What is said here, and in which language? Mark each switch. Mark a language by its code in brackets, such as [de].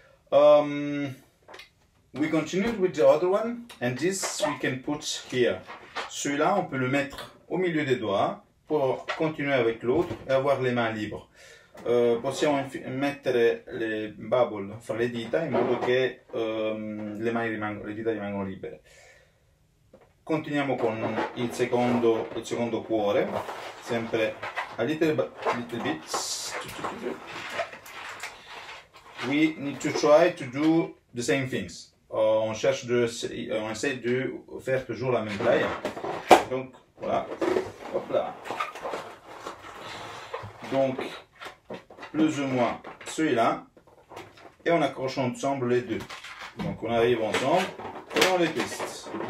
[en] We continue with the other one, and this we can put here. [fr] Celui-là, on peut le mettre au milieu des doigts pour continuer avec l'autre et avoir les mains libres. [it] Possiamo mettere le bubble fra le dita in modo che le dita rimangano libere. Continuiamo con il secondo cuore, sempre [en] a little bit. We need to try to do the same things. [fr] On essaie de faire toujours la même taille. Donc voilà, hop là. Donc plus ou moins celui-là, et on accroche ensemble les deux. Donc on arrive ensemble et on les piste.